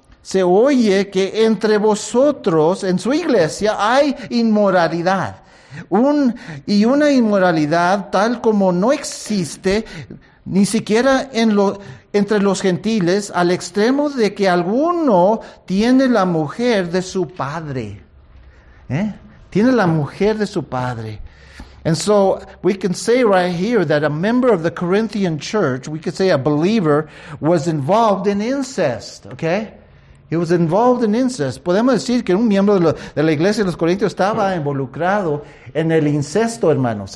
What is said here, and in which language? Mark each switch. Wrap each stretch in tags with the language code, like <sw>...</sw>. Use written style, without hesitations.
<es>se oye que entre vosotros, en su iglesia, hay inmoralidad. Una inmoralidad tal como no existe ni siquiera entre los gentiles, al extremo de que alguno tiene la mujer de su padre. ¿Eh? Tiene la mujer de su padre.</es> <en>And so we can say right here that a member of the Corinthian church, we could say a believer, was involved in incest, okay? He was involved in incest.</en> <es>Podemos decir que un miembro de la iglesia de los Corintios estaba involucrado en el incesto, hermanos.</es>